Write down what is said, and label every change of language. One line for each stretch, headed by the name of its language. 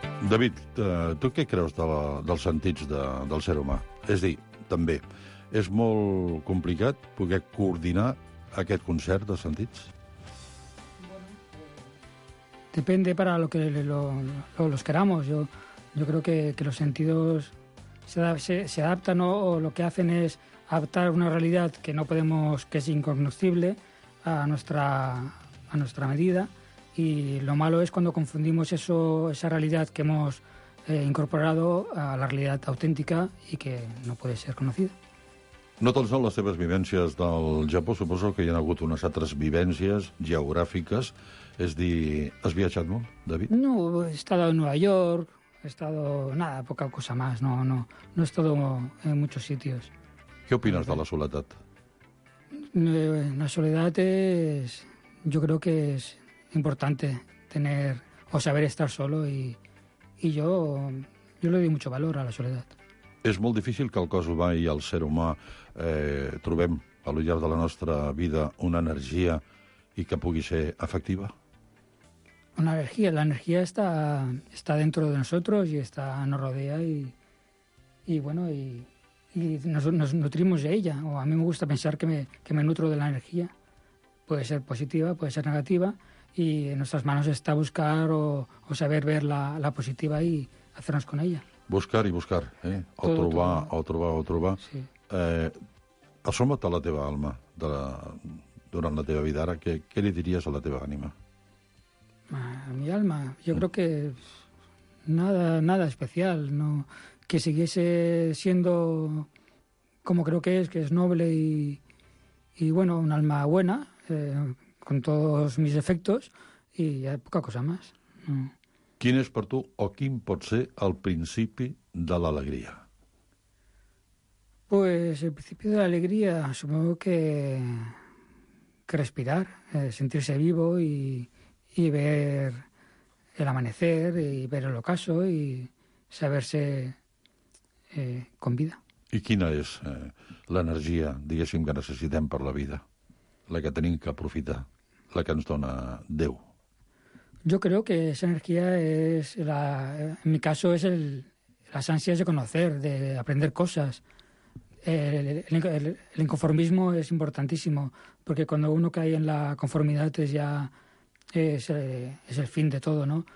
Catalan: David, tu què creus dels sentits del ser humà? És a dir, també, és molt complicat poder coordinar aquest concert de sentits?
Spanish: Bueno, depende para lo que los queramos. Yo creo que los sentidos se adaptan, ¿no? O lo que hacen es adaptar una realidad que no podemos, que es incognoscible, a nuestra medida. Y lo malo es cuando confundimos esa realidad que hemos incorporado a la realidad auténtica y que no puede ser conocida.
Catalan: No tan sols les seves vivències del Japó, suposo que hi ha hagut unes altres vivències geogràfiques. És dir, has viatjat molt, David?
Spanish: No, he estado en Nueva York, he estado, nada, poca cosa más, no he estado en muchos sitios. ¿Qué opinas de la soledad? La soledad es, yo creo que es importante tener o saber estar solo y yo le doy mucho valor a la soledad.
Catalan: És molt difícil que el cos humà i el ser humà trobem al llarg de la nostra vida una energia i que pugui ser efectiva? Una energia.
Spanish: La energia está dentro de nosotros y está, nos rodea y nos nutrimos de ella. O a mí me gusta pensar que me nutro de la energía. Puede ser positiva, puede ser negativa. y en nuestras manos está buscar o saber ver la positiva y hacernos con ella.
Catalan: Buscar i buscar, eh? O trobar.
Spanish: Sí.
Catalan: Assoma't a la teva alma durant la teva vida ara. Què li diries a la teva ànima?
Spanish: A mi alma?
Catalan: Jo crec que
Spanish: nada especial. No, que siguiese siendo como creo que es noble y bueno, un alma buena, con todos mis defectos, y ya poca cosa más. No.
Catalan: Quin és per tu o quin pot ser el principi de l'alegria?
Spanish: Pues el principio de la alegría, supongo que respirar, sentirse vivo y ver el amanecer y ver el ocaso y saberse con vida.
Catalan: I quina és l'energia, diguéssim, que necessitem per la vida, la que tenim que aprofitar, la que ens dona Déu?
Spanish: Yo creo que esa energía es, en mi caso, es las ansias de conocer, de aprender cosas. El inconformismo es importantísimo, porque cuando uno cae en la conformidad es el fin de todo, ¿no?